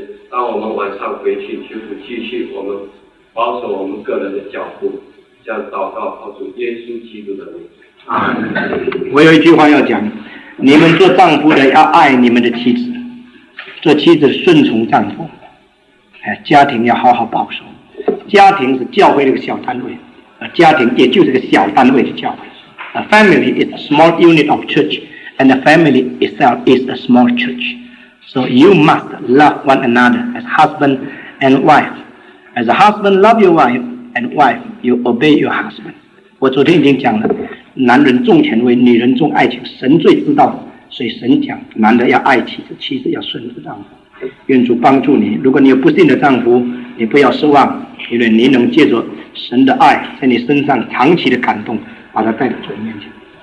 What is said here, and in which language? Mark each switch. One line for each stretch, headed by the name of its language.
Chinese: 当我们晚上回去，求主继续我们保守我们个人的脚步，向祷告，靠主耶稣基督的名。我有一句话要讲，你们做丈夫的要爱你们的妻子，做妻子顺从丈夫，家庭要好好保守。家庭是教会的一个小单位，家庭也就是个小单位的教会。
English: A family is a small unit of church, and the family itself is a small church. So you must love one another as husband and wife. As a husband, love your wife, and wife, you obey your husband.
Chinese: 我昨天已经讲了，男人重权威，女人重爱情，神最知道。所以神讲，男的要爱妻子，妻子要顺服丈夫。愿主帮助你，如果你有不幸的丈夫，你不要失望，因为你能借着神的爱在你身上长期的感动，把他带到主面前。